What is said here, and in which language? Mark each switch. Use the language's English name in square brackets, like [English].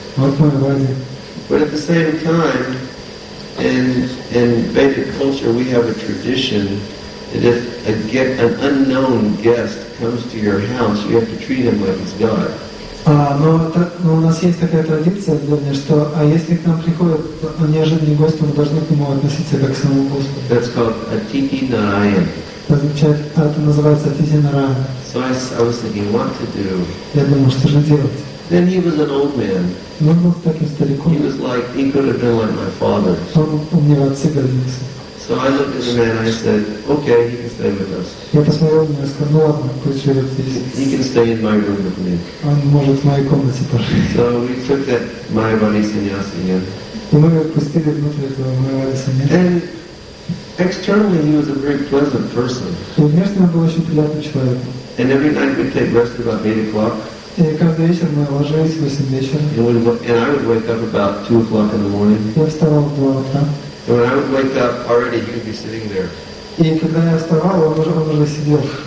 [Russian] Вот Maya body. [English] But at the same time, in Vedic culture, we have a tradition that if an unknown guest comes to your house, you have to treat him like he's God. [Russian] Но у нас есть такая традиция, Дэнни, что если к нам приходит неожиданный гость, мы должны к нему относиться как к самому Господу. [English] That's called Atithi Narayana. [Russian] Это называется Atithi Narayana. [English] So I was thinking, what to do? [Russian] Я думал, что же делать? [English] Then he was an old man. [Russian] Но он был таким стариком. [English] He was like, he could have been like my father. [Russian] Он мне отцы годился. [English] So So I looked at the man and I said, okay, he can stay with us. [Russian] Я посмотрел на него, сказал, ну ладно, пусть живет здесь. [English] He can stay in my room with me. [Russian] Он может в моей комнате пожить. [English] So we took that Mayavadi sannyasi in. [Russian] И мы впустили внутрь этого Mayavadi sannyasi. [English] And externally he was a very pleasant person. [Russian] И внешне он был очень приятным человеком. [English] And every night we'd take rest about 8 o'clock. [Russian] И каждый вечер мы ложились в 8 вечера. [English] And I would wake up about 2 o'clock in the morning. [Russian] Я вставал в 2 утра. [English] And when I would wake up already, he would be sitting there. [Russian] И когда я вставал, он уже сидел.